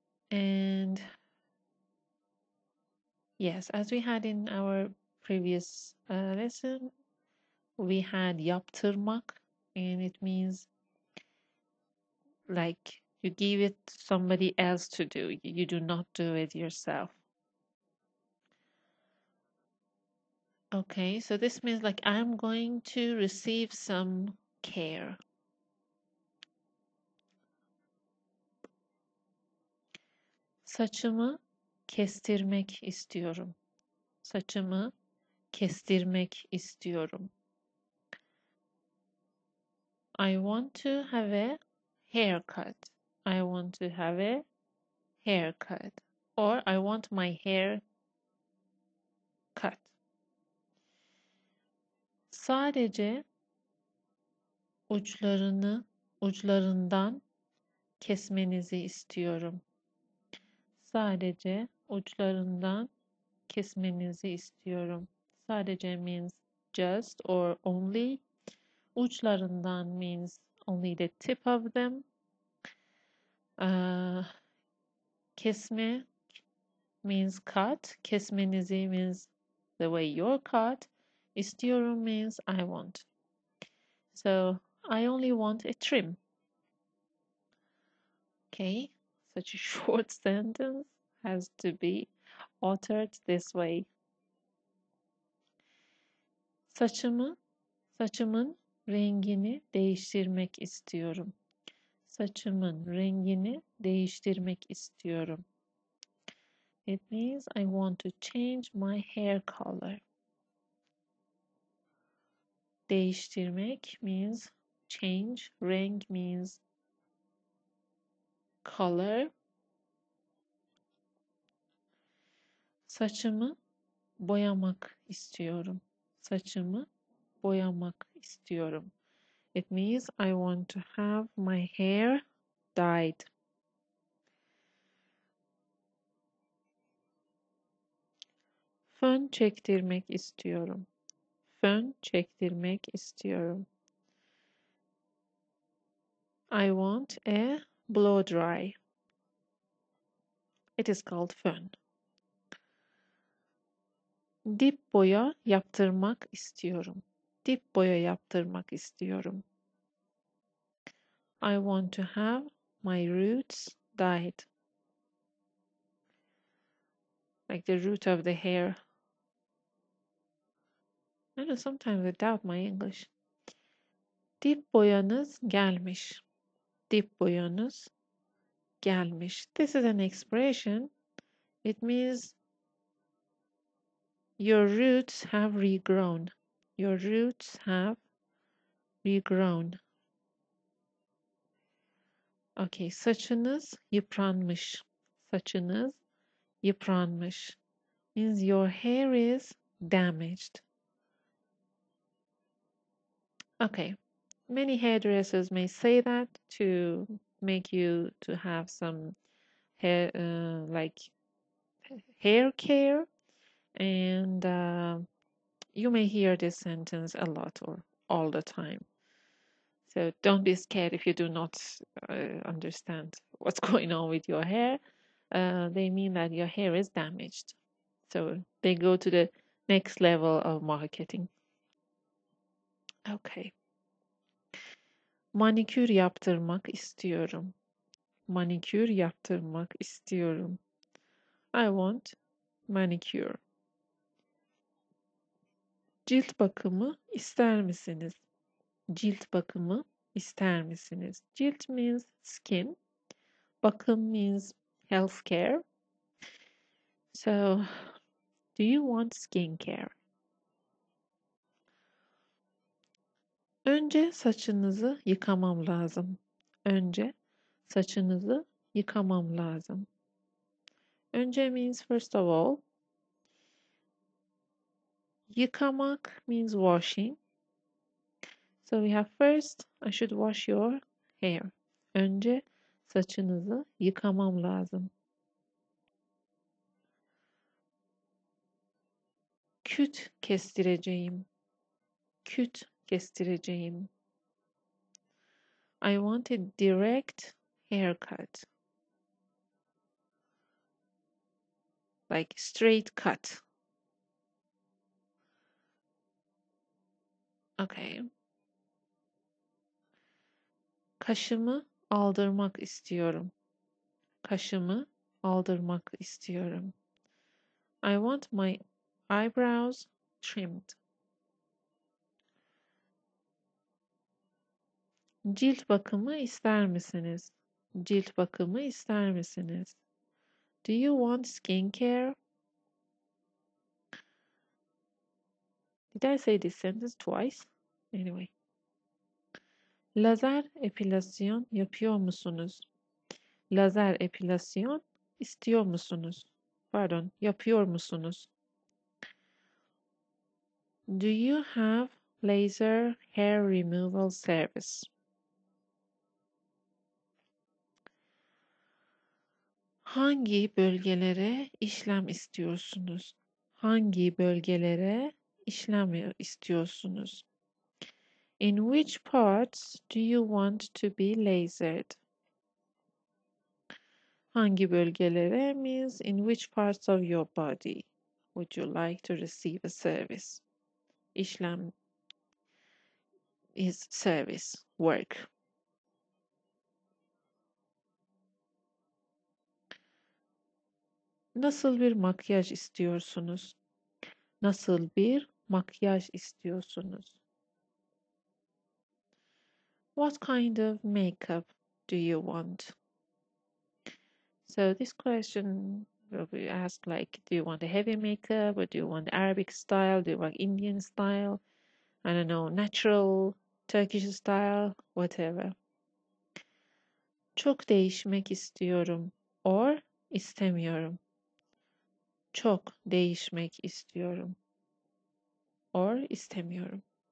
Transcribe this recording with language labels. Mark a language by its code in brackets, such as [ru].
[en] And yes, as we had in our previous lesson, we had yaptırmak, and it means like you give it somebody else to do. You do not do it yourself. Okay, so this means like I'm going to receive some care. [tr] Saçımı kestirmek istiyorum. Saçımı kestirmek istiyorum. [en] I want to have a haircut. I want to have a haircut. Or I want my hair cut. [tr] Sadece uçlarını ucundan kesmenizi istiyorum. Sadece uçlarından kesmenizi istiyorum. [en] Sadece means just or only. Uçlarından means only the tip of them. Kesme means cut. Kesmenizi means the way you're cut. İstiyorum means I want. So, I only want a trim. Okay, such a short sentence has to be uttered this way. [tr] Saçımın rengini değiştirmek istiyorum. Saçımın rengini değiştirmek istiyorum. [en] It means I want to change my hair color. Değiştirmek means change. Renk means color. [tr] Saçımı boyamak istiyorum. Saçımı boyamak istiyorum. [en] It means I want to have my hair dyed. [tr] Fön çektirmek istiyorum. Fön çektirmek istiyorum. [en] I want a blow dry. It is called fön. [tr] Dip boya yaptırmak istiyorum. Dip boya yaptırmak istiyorum. [en] I want to have my roots dyed. Like the root of the hair. I know, sometimes I doubt my English. [tr] Dip boyanız gelmiş. Dip boyanız gelmiş. [en] This is an expression. It means your roots have regrown. Your roots have regrown. [tr] Okay, saçınız yıpranmış. Saçınız yıpranmış. [en] Means your hair is damaged. Okay, many hairdressers may say that to make you to have some hair, like hair care. And you may hear this sentence a lot or all the time. So don't be scared if you do not understand what's going on with your hair. They mean that your hair is damaged. So they go to the next level of marketing. Okay. [tr] Manikür yaptırmak istiyorum. Manikür yaptırmak istiyorum. [en] I want manicure. [tr] Cilt bakımı ister misiniz? Cilt bakımı ister misiniz? [en] Cilt means skin. Bakım means health care. So, do you want skin care? [tr] Önce saçınızı yıkamam lazım. Önce saçınızı yıkamam lazım. [en] Önce means first of all. Yıkamak means washing. So we have first, I should wash your hair. [tr] Önce saçınızı yıkamam lazım. Küt kestireceğim. Küt kestireceğim. [en] I want a direct haircut. Like straight cut. Okay. [tr] Kaşımı aldırmak istiyorum. Kaşımı aldırmak istiyorum. [en] I want my eyebrows trimmed. [tr] Cilt bakımı ister misiniz? Cilt bakımı ister misiniz? [en] Do you want skincare? Did I say this sentence twice? Anyway. [tr] Lazer epilasyon yapıyor musunuz? Lazer epilasyon istiyor musunuz? Pardon, yapıyor musunuz? [en] Do you have laser hair removal service? [tr] Hangi bölgelere işlem istiyorsunuz? Hangi bölgelere işlem istiyorsunuz? [en] In which parts do you want to be lasered? [tr] Hangi bölgelere [en] means in which parts of your body would you like to receive a service? İşlem is service, work. [tr] Nasıl bir makyaj istiyorsunuz? Nasıl bir makyaj istiyorsunuz? [en] What kind of makeup do you want? So this question will be asked like, do you want a heavy makeup or do you want Arabic style? Do you want Indian style? I don't know, natural Turkish style, whatever. [tr] Çok değişmek istiyorum or istemiyorum. Çok değişmek istiyorum or istemiyorum.